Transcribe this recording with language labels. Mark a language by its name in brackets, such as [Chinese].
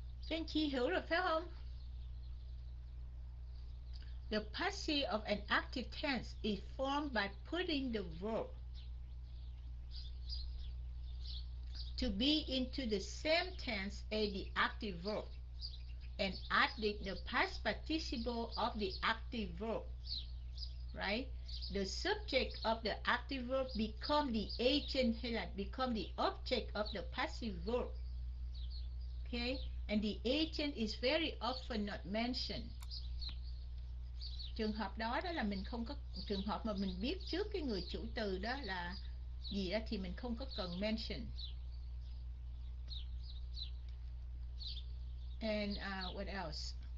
[Vietnamese] Anh chị hiểu rồi phải không? [English] The passive of an active tense is formed by putting the verb to be into the same tense as the active verb and adding the past participle of the active verb. Right? The subject of the active verb become the agent, [Vietnamese] hay là [English] become the object of the passive verb. Okay? And the agent is very often not mentioned. [Vietnamese] Trường hợp đó đó là mình không có, trường hợp mà mình biết trước cái người chủ từ đó là gì đó thì mình không có cần mention. [English] And what else?